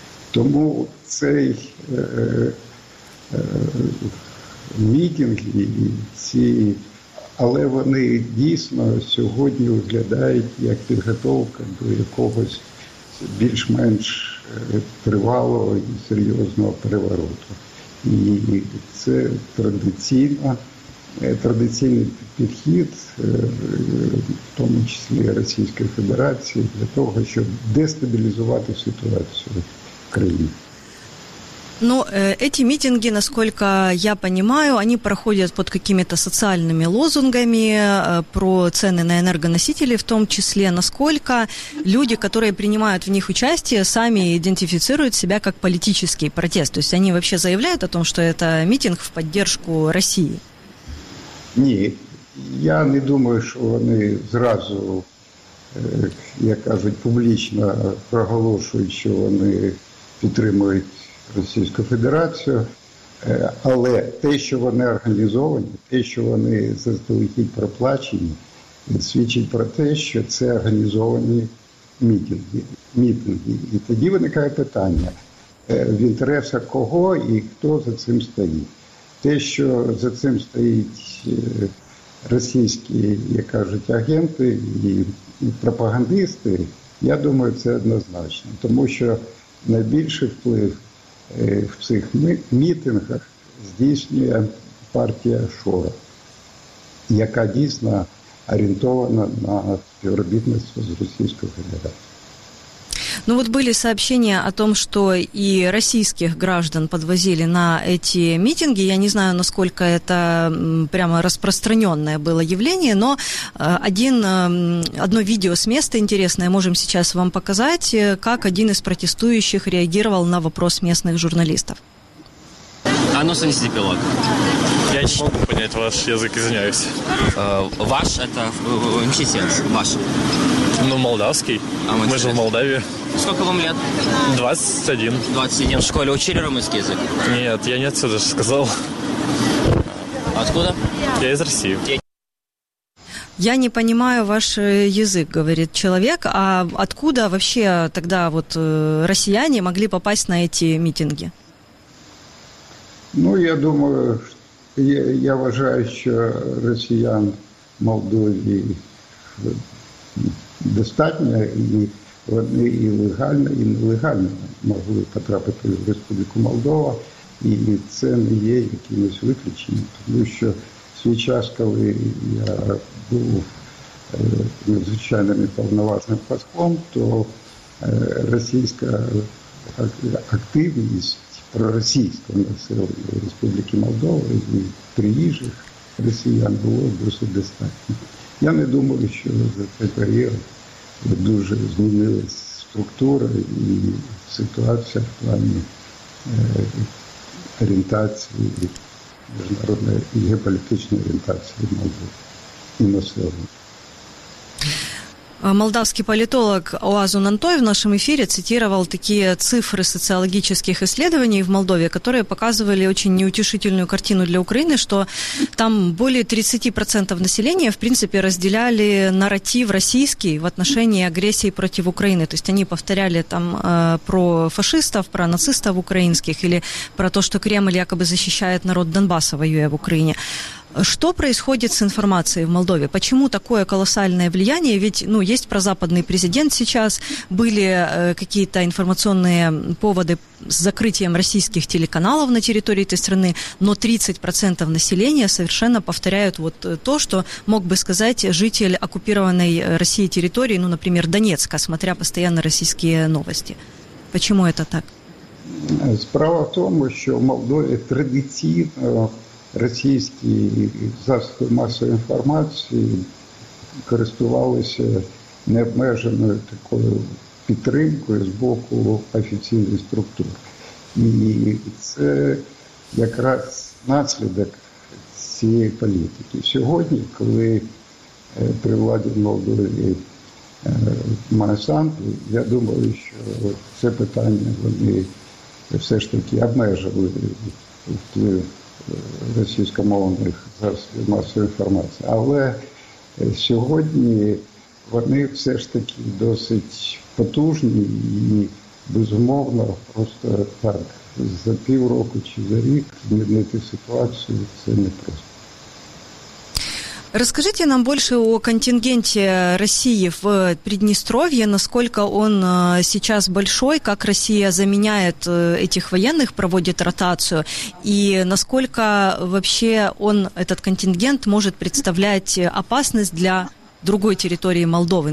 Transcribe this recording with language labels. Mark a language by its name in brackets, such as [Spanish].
[Ukrainian] Тому цей мітинг і ці, але вони дійсно сьогодні виглядають як підготовка до якогось більш-менш тривалого і серйозного перевороту. І це традиційно. Традиційний підхід, в тому числі Російської Федерації, для того, щоб дестабілізувати ситуацію в країні. [Russian] Но эти митинги, насколько я понимаю, они проходят под какими-то социальными лозунгами про цены на энергоносители, в том числе, насколько люди, которые принимают в них участие, сами идентифицируют себя как политический протест. То есть они вообще заявляют о том, что это митинг в поддержку России? [Ukrainian] Ні, я не думаю, що вони зразу, як кажуть, публічно проголошують, що вони підтримують Російську Федерацію, але те, що вони організовані, те, що вони заздалегідь проплачені, свідчить про те, що це організовані мітинги. І тоді виникає питання, в інтересах кого і хто за цим стоїть. Те, що за цим стоїть російські, як кажуть, агенти і пропагандисти, я думаю, це однозначно. Тому що найбільший вплив в цих мітингах здійснює партія Шора, яка дійсно орієнтована на співробітництво з Російською Федерацією. [Russian] Ну вот были сообщения о том, что и российских граждан подвозили на эти митинги. Я не знаю, насколько это прямо распространенное было явление, но одно видео с места интересное можем сейчас вам показать, как один из протестующих реагировал на вопрос местных журналистов. А ну, снизите пилот. Я не могу понять ваш язык, извиняюсь. Ваш это МЧСЕНС, ваш. Ну, молдавский. А мы же в Молдавии. Сколько вам лет? 21. 21. В школе учили румынский язык? Нет, я не отсюда же сказал. Откуда? Я из России. Я не понимаю ваш язык, говорит человек. А откуда вообще тогда вот россияне могли попасть на эти митинги? Ну, я думаю, [Ukrainian] я вважаю, що росіян в Молдові достатньо, і вони і легально, і нелегально могли потрапити в Республіку Молдова, і це не є якимось виключенням, тому що в свій час, коли я був надзвичайним і повноважним послом, то російська активність проросійського населення Республіки Молдова і приїжджих росіян було досить достатньо. Я не думаю, що за цей період дуже змінилась структура і ситуація в плані орієнтації міжнародної геополітичної орієнтації Молдови і на сьогодні. [Russian] Молдавский политолог Оазун Антой в нашем эфире цитировал такие цифры социологических исследований в Молдове, которые показывали очень неутешительную картину для Украины, что там более 30% населения, в принципе, разделяли нарратив российский в отношении агрессии против Украины. То есть они повторяли там про фашистов, про нацистов украинских или про то, что Кремль якобы защищает народ Донбасса, воюя в Украине. Что происходит с информацией в Молдове? Почему такое колоссальное влияние? Ведь, ну, есть прозападный президент сейчас, были какие-то информационные поводы с закрытием российских телеканалов на территории этой страны, но 30% населения совершенно повторяют вот то, что мог бы сказать житель оккупированной Россией территории, ну, например, Донецка, смотря постоянно российские новости. Почему это так? [Ukrainian] Справа [Russian] в том, что в Молдове [Ukrainian] традиционно російські засоби масової інформації користувалися необмеженою такою підтримкою з боку офіційних структур. І це якраз наслідок цієї політики. Сьогодні, коли при владі в Молдові Монсанто, я думаю, що це питання вони все ж таки обмежили вплив російськомовних засобів масової інформації. Але сьогодні вони все ж таки досить потужні і безумовно просто так за півроку чи за рік змінити ситуацію – це непросто. [Russian] Расскажите нам больше о контингенте России в Приднестровье, насколько он сейчас большой, как Россия заменяет этих военных, проводит ротацию, и насколько вообще он, этот контингент, может представлять опасность для другой территории Молдовы.